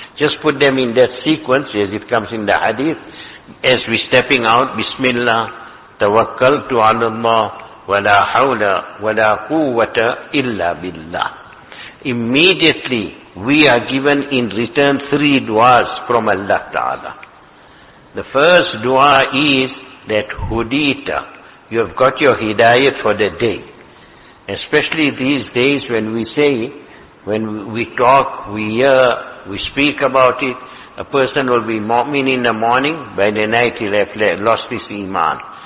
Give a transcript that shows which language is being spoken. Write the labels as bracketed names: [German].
[English] Just put them in that sequence as it comes in the hadith. As we stepping out, [Arabic] Bismillah, تَوَكَّلْتُ عَلَى اللَّهِ وَلَا حَوْلَ وَلَا قُوَّةَ إِلَّا بِاللَّهِ. [English] Immediately, we are given in return three du'as from Allah Ta'ala. The first du'a is that hudita. You have got your hidayat for the day. Especially these days when we say, when we talk, we hear, we speak about it, a person will be mu'min in the morning, by the night he'll have lost his iman.